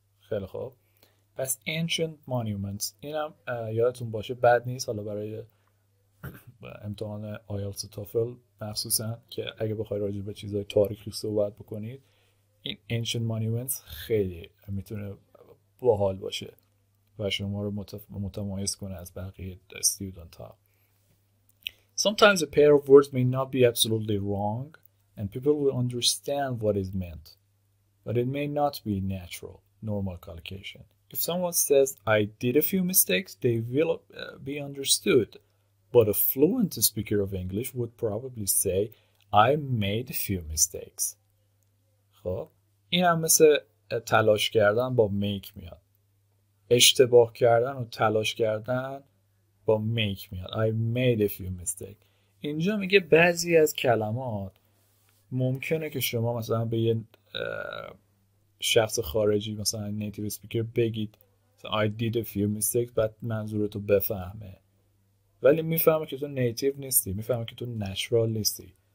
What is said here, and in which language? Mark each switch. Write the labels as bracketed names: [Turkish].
[Persian] خیلی خوب، پس [English] ancient monuments [Persian] این هم یادتون باشه، بد نیست حالا برای امتحان IELTS TOEFL مخصوصا که اگه بخوای راجع به چیزهای تاریخی صحبت بکنید، این ancient monuments خیلی میتونه باحال باشه و شما رو متمایز کنه از بقیه student ها. [English] Sometimes a pair of words may not be absolutely wrong and people will understand what is meant, but it may not be natural, normal collocation. If someone says I did a few mistakes, they will be understood. But a fluent speaker of English would probably say I made a few mistakes. [Persian] خب این هم مثل تلاش کردن با make میاد. اشتباه کردن و تلاش کردن با make میاد. [English] I made a few mistakes. [Persian] اینجا میگه بعضی از کلمات ممکنه که شما مثلا به یه شخص خارجی مثلا نیتیو اسپیکر بگید [English] I did a few mistakes، [Persian] بعد منظورتو بفهمه، ولی میفهمه که تو نیتیو نیستی، میفهمه که تو نچرال نیستی.